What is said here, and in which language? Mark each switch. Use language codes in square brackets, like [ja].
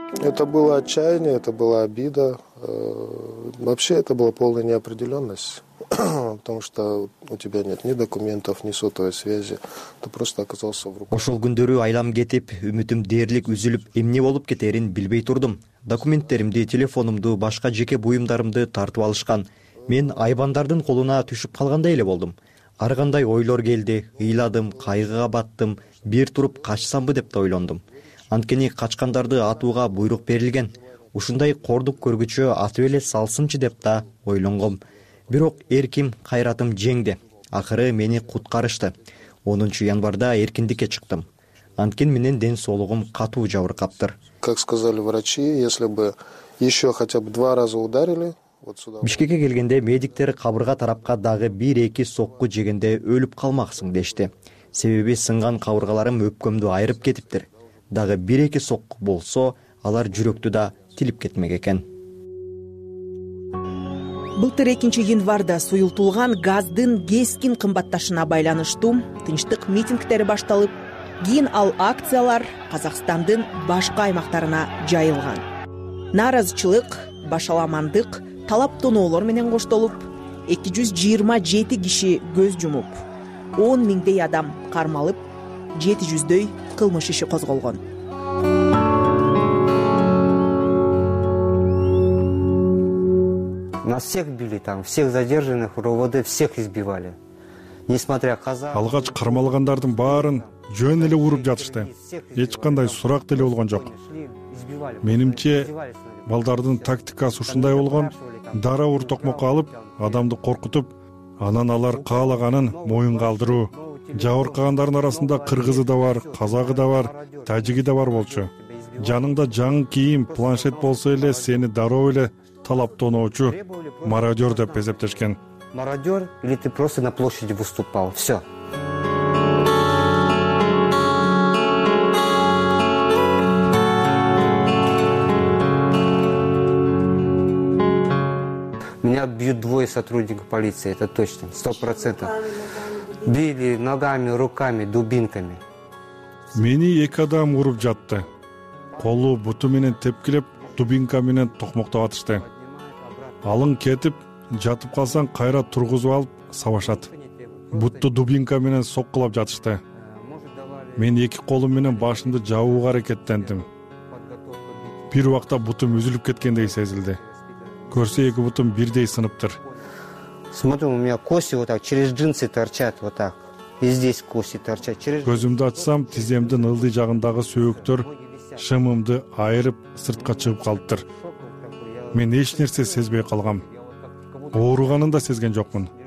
[ru] Это было отчаяние, это была обида. Вообще это была полная неопределенность, потому что у тебя нет ни документов, ни сотовой связи. Ты просто оказался в руках. [ky] Ошол күндөрү айлам кетип, үмүтүм дээрлик үзүлүп, эмне болуп кетерин билбей турдум. Документтеримди, телефонумду, башка жеке буюмдарымды тартып алышкан. Мен айбандардын колуна түшүп калгандай эле болдум. Ар кандай ойлор келди, ыйладым, кайгыга баттым, бир туруп качсамбы деп да ойлондум. Анткени качкандарды атууга буйрук берилген. Ушундай кордук көргүчө атып эле салсынчы деп да ойлонгом. Бирок эркин кайратым жеңди. Акыры мени куткарышты. 10 январда эркиндикке чыктым. Анткен менен ден соолугум катуу жабыркаптыр. [ru] Как сказали врачи, если бы еще хотя бы два раза ударили, вот сюда. [ky] Бишкекке келгенде медиктер кабырга тарапка дагы 1-2 сокку жегенде өлүп калмаксың дешти. Себеби сынган кабыргаларым өпкөмдү айырып кетиптир. Дагы 1-2 сокку болсо, алар жүрөктү да тилип кетмек экен. Былтыр 2 январда суюлтулган газдын кескин кымбатташына байланыштуу тынчтык митингдери башталып, кийин ал акциялар Казакстандын башка аймактарына жайылган. Нааразычылык, башаламандык, талап тоноолор менен коштолуп, 227 киши көз жумуп, 10 миңдей адам кармалып, 700дөй кылмыш иши козголгон. [ru] Нас всех били там, всех задержанных, РОВД всех избивали. Несмотря каза. [ky] Алгач кармалгандардын баарын жөн эле уруп жатышты. Эч кандай сурак деле болгон жок. Менимче, балдардын тактикасы ушундай болгон: дара уртокмокко алып, адамды коркутуп, анан алар каалаганын моюн калдыруу. Жабыркагандардын арасында кыргызы да бар, казагы да бар, тажиги да бар болчу. Жаныңда жаңы кийим, планшет болсо эле сени дароо эле талап тоноочу мародер деп эсептешкен. [ru] Мародер или ты просто на площади выступал. Все. Меня бьют двое сотрудников полиции, это точно, 100%. Били ногами, руками, дубинками. [ky] Мени эки адам уруп жатты. Колу буту менен тепкилеп, дубинка менен токмоктоп атышты. Алың кетип, жатып калсаң кайра тургузуп алып сабашат. Бутту дубинка менен соккулап жатышты. Мен эки колум менен башымды жабууга аракеттендим. Бир убакта бутум үзүлүп кеткендей сезилди. Көрсө эки бутум бирдей сыныптыр. [ru] Смотрим, у меня кости вот так, через джинсы торчат вот так. И здесь кости торчат. [ky] Көзүмдү ачсам, тиземдин ылдый жагындагы сөөктөр шымымды айырып сыртка чыгып калыптыр. Мен эч нерсе сезбей калгам. Ооруганын да сезген жокмун.